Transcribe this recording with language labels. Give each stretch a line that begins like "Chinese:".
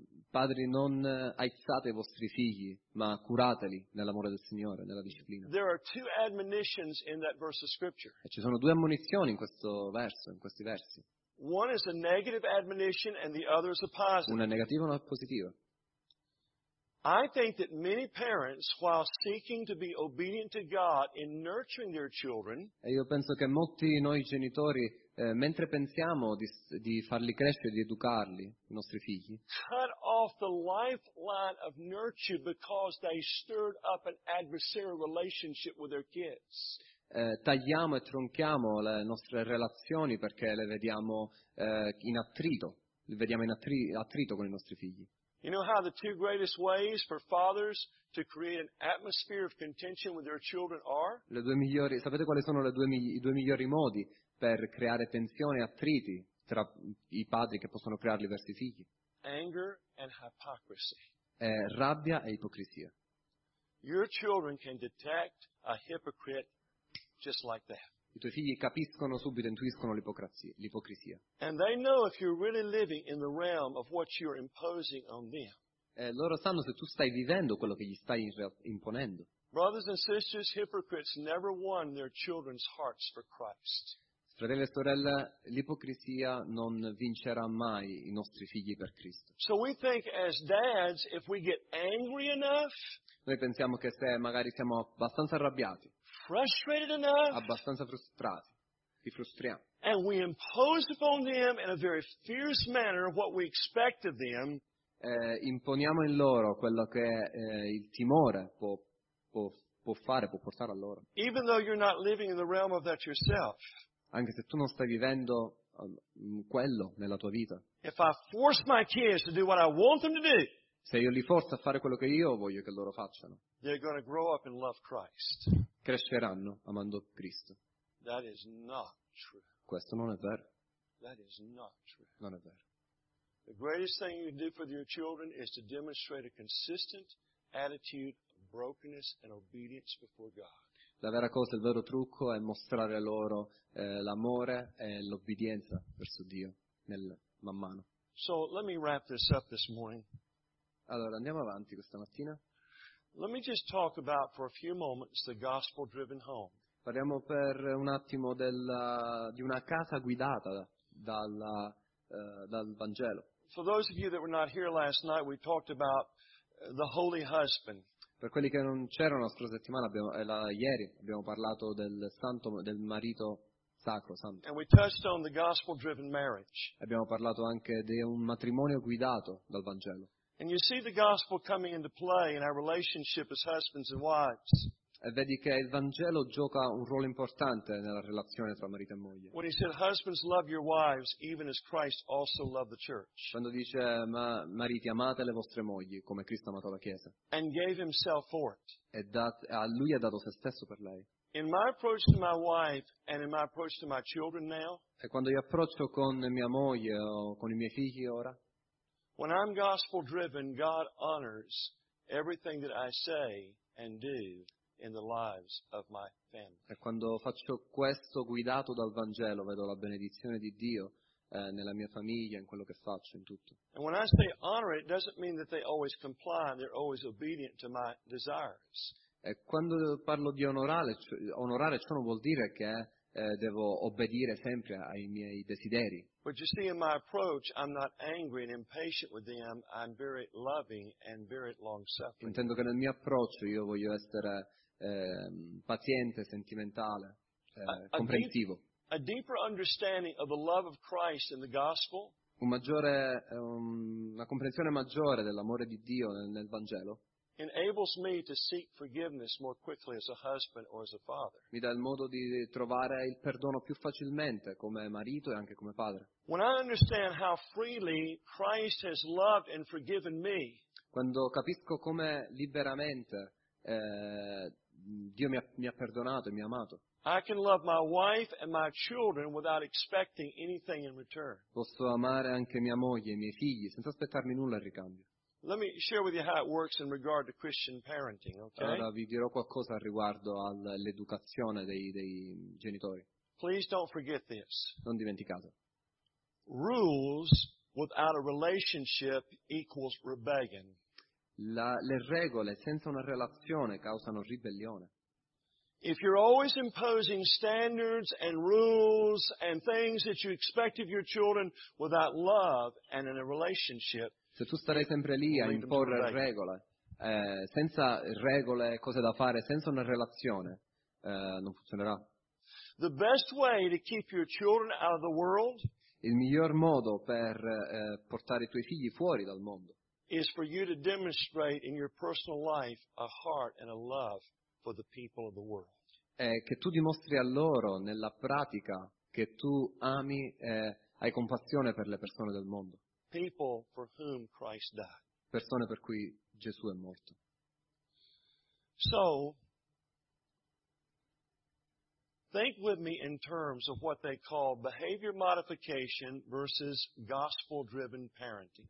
Italian: Padri, non aizzate i vostri figli, ma curateli nell'amore del Signore, nella disciplina.
English: There are two admonitions in that verse of scripture.
Italian: E ci sono due ammonizioni in questi versi.
English: One is a negative admonition and the other is a positive.
Italian: Una negativa e una positiva.
English: I think that many parents, while seeking to be obedient to God in nurturing their children,
Italian: e io penso che molti noi genitori, mentre pensiamo di farli crescere, di educarli, i nostri figli,
English: cut off the lifeline of nurture because they stirred up an adversarial relationship with their kids.
Italian: Tagliamo e tronchiamo le nostre relazioni perché le vediamo in attrito, le vediamo in attrito con i nostri figli.
English: You know how the two greatest ways for fathers to create an atmosphere of contention with their children are?
Italian: Le due migliori, sapete quali sono i due migliori modi per creare tensione e attriti tra i padri che possono crearli verso i figli?
English: Anger and hypocrisy.
Italian: Rabbia e ipocrisia.
English: Your children can detect a hypocrite just like that.
Italian: I tuoi figli capiscono subito, intuiscono l'ipocrisia.
English: And they know if you're really living in the realm of what you're imposing on them.
Italian: Loro sanno se tu stai vivendo quello che gli stai imponendo.
English: Brothers and sisters, hypocrites never won their children's hearts for Christ.
Italian: Fratelli e sorelle, l'ipocrisia non vincerà mai i nostri figli per Cristo.
English: So we think as dads, if we get angry enough,
Italian: noi pensiamo che se magari siamo abbastanza arrabbiati,
English: frustrated enough,
Italian: abbastanza frustrati, ci frustriamo,
English: and we impose upon them in a very fierce manner what we expect of them,
Italian: imponiamo in loro quello che il timore può fare, può portare a loro.
English: Even though you're not living in the realm of that yourself.
Italian: Anche se tu non stai vivendo quello nella tua vita.
English: If I force my kids to do what I want them to do,
Italian: se io li forzo a fare quello che io voglio che loro facciano,
English: they're going to grow up and love Christ.
Italian: Cresceranno amando Cristo.
English: That is not true.
Italian: Questo non è vero.
English: That is not true.
Italian: Non è vero.
English: The greatest thing you can do for your children is to demonstrate a consistent attitude of brokenness and obedience before God.
Italian: La vera cosa, il vero trucco è mostrare loro l'amore e l'obbedienza verso Dio nel man mano.
English: So, let me wrap this up this morning.
Italian: Allora, andiamo avanti questa mattina.
English: Let me just talk about for a few moments the gospel-driven home.
Italian: Parliamo per un attimo di una casa guidata dal Vangelo.
English: For those of you that were not here last night, we talked about the holy husband.
Italian: Per quelli che non c'erano la scorsa settimana, ieri abbiamo parlato del marito sacro, santo.
English: And we touched on the gospel-driven marriage.
Italian: Abbiamo parlato anche di un matrimonio guidato dal Vangelo.
English: And you see the gospel coming into play in our relationship as husbands and wives.
Italian: E vedi che il Vangelo gioca un ruolo importante nella relazione tra marito e moglie.
English: When he said, "Husbands, love your wives, even as Christ also loved the church."
Italian: Quando dice, mariti, amate le vostre mogli come Cristo ha amato la Chiesa.
English: And gave himself for it.
Italian: Lui ha dato se stesso per lei.
English: In my approach to my wife and in my approach to my children now.
Italian: E quando io approccio con mia moglie o con i miei figli ora.
English: When I'm gospel-driven, God honors everything that I say and do. In the lives of my family.
Italian: E quando faccio questo guidato dal Vangelo vedo la benedizione di Dio nella mia famiglia, in quello che faccio, in tutto.
English: And when I say honor it doesn't mean that they always comply and they're always obedient to my desires.
Italian: E quando parlo di onorare ciò non vuol dire che devo obbedire sempre ai miei desideri.
English: But you see, in my approach, I'm not angry and impatient with them. I'm very loving and very long-suffering.
Italian: Intendo che nel mio approccio io voglio essere paziente, sentimentale, comprensivo.
English: A deeper understanding of the love of Christ in the gospel.
Italian: Una comprensione maggiore dell'amore di Dio nel Vangelo.
English: Enables me to seek forgiveness more quickly as a husband or as a father.
Italian: Mi dà il modo di trovare il perdono più facilmente come marito e anche come padre.
English: When I understand how freely Christ has loved and forgiven me.
Italian: Quando capisco come liberamente Dio mi ha perdonato e mi ha amato.
English: I can love my wife and my children without expecting anything in return.
Italian: Posso amare anche mia moglie e i miei figli senza aspettarmi nulla in ricambio.
English: Let me share with you how it works in regard to Christian parenting, okay?
Italian: Allora vi dirò qualcosa riguardo all'educazione dei genitori.
English: Please don't forget this.
Italian: Non dimenticate.
English: Rules without a relationship equals rebellion.
Italian: Le regole senza una relazione causano ribellione.
English: If you're always imposing standards and rules and things that you expect of your children without love and in a relationship,
Italian: se tu starei sempre lì a imporre regole, senza regole, cose da fare, senza una relazione, non funzionerà.
English: The best way to keep your children out of the world,
Italian: il miglior modo per portare i tuoi figli fuori dal mondo,
English: is for you to demonstrate in your personal life a heart and a love for the people of the world.
Italian: È che tu dimostri a loro nella pratica che tu ami e hai compassione per le persone del mondo.
English: People for whom Christ died.
Italian: Persone per cui Gesù è morto.
English: So, think with me in terms of what they call behavior modification versus gospel-driven parenting.